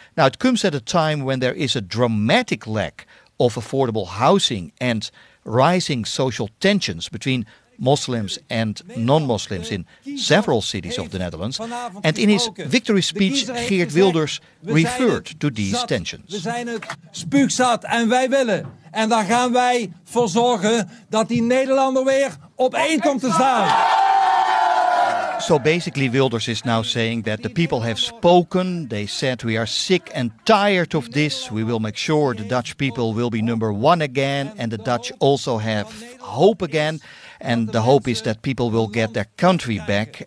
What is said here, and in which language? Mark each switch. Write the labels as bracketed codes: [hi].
[en] Now, it comes at a time when there is a dramatic lack of affordable housing and rising social tensions between Muslims and non-Muslims in several cities of the Netherlands. And in his victory speech, Geert Wilders referred to these tensions. [nl] We zijn het spuugzat en wij willen. En daar gaan wij voor zorgen dat die Nederlander weer op één komt te staan. [en] So basically, Wilders is now saying that the people have spoken. They said, we are sick and tired of this. We will make sure the Dutch people will be number one again. And the Dutch also have hope again. And the hope is that people will get their country back.